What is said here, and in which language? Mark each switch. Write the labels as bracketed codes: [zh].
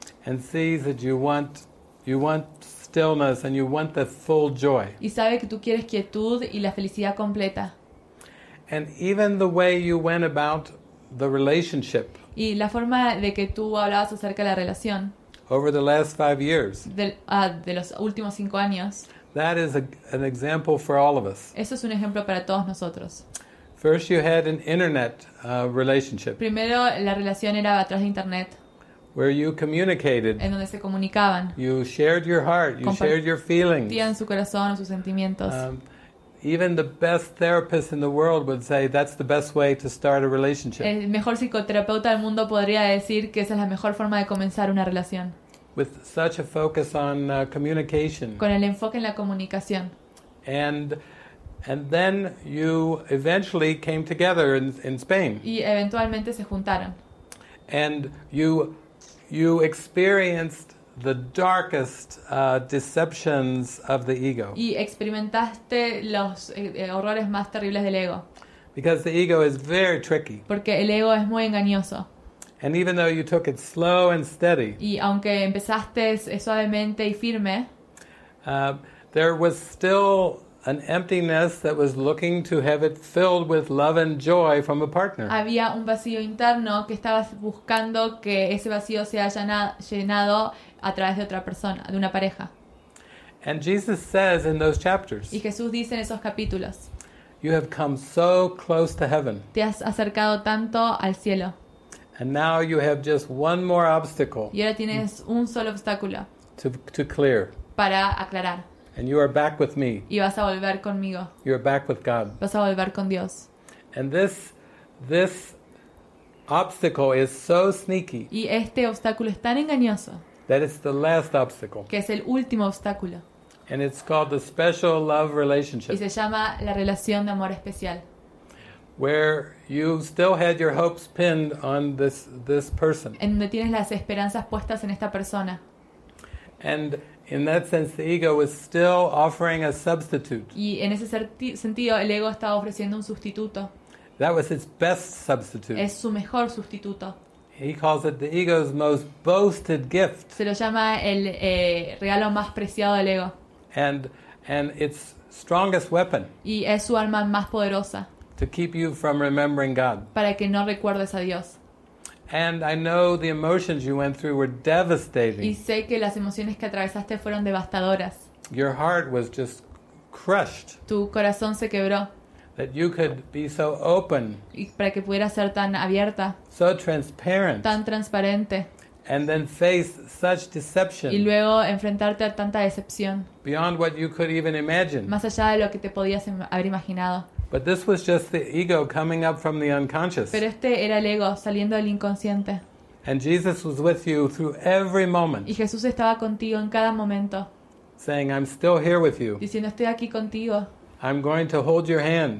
[en] And sees that you want stillness and you want the full joy. [es] Y sabe que tú quieres quietud y la felicidad completa. [en] And even the way you went about the relationship. [es] Y la forma de que tú hablabas acerca de la relación. [en] Over the last 5 years. [es] De los últimos 5 años. [en] That is an example for all of us. [es] Eso es un ejemplo para todos nosotros. [en] First you had an internet relationship. [es] Primero la relación era a través de internet. [en] Where you communicated. [es] En donde se comunicaban. [en] You shared your heart, you shared your feelings. [es] Compartían su corazón o sus sentimientos. [en] Even the best therapist in the world would say that's the best way to start a relationship. [es] El mejor psicoterapeuta del mundo podría decir que esa es la mejor forma de comenzar una relación. [en] With such a focus on communication. [es] Con el enfoque en la comunicación. [en] And then you eventually came together in Spain. [es] Y eventualmente se juntaron. [en] And you experienced the darkest deceptions of the ego. [es] Y experimentaste los horrores más terribles del ego. [en] Because the ego is very tricky. [es] Porque el ego es muy engañoso. [en] And even though you took it slow and steady. [es] Y aunque empezaste suavemente y firme. [en] There was still an emptiness that was looking to have it filled with love and joy from a partner. [es] Había un vacío interno que estabas buscando que ese vacío se haya llenado a través de otra persona, de una pareja. [en] And Jesus says in those chapters. [es] Y Jesús dice en esos capítulos. [en] You have come so close to heaven. [es] Te has acercado tanto al cielo. [en] And now you have just one more obstacle. [es] Y ahora tienes un solo obstáculo. [en] To clear. [es] Para aclarar. [en] And you are back with me. [es] Y vas a volver conmigo. [en] You are back with God. [es] Vas a volver con Dios. [en] And this obstacle is so sneaky. [es] Y este obstáculo es tan engañoso. [en] That it's the last obstacle. [es] Que es el último obstáculo. [en] And it's called the special love relationship. [es] Y se llama la relación de amor especial. [en] Where you still had your hopes pinned on this person. [es] En donde tienes las esperanzas puestas en esta persona. [en] And in that sense, the ego was still offering a substitute. [es] Y en ese sentido, el ego estaba ofreciendo un sustituto. [en] That was its best substitute. [es] Es su mejor sustituto. [en] He calls it the ego's most boasted gift. [es] Se lo llama el regalo más preciado del ego. [en] And its strongest weapon. [es] Y es su arma más poderosa. [en] To keep you from remembering God. [es] Para que no recuerdes a Dios. [en] And I know the emotions you went through were devastating. [es] Y sé que las emociones que atravesaste fueron devastadoras. [en] Your heart was just crushed. [es] Tu corazón se quebró. [en] That you could be so open. [es] Y para que pudieras ser tan abierta. [en] So transparent. [es] Tan transparente. [en] And then face such deception. [es] Y luego enfrentarte a tanta decepción. [en] Beyond what you could even imagine. [es] Más allá de lo que te podías haber imaginado. [en] But this was just the ego coming up from the unconscious. [es] Pero este era el ego saliendo del inconsciente. [en] And Jesus was with you through every moment. [es] Y Jesús estaba contigo en cada momento. [en] Saying, I'm still here with you. [es] Diciendo, estoy aquí contigo. [en] I'm going to hold your hand.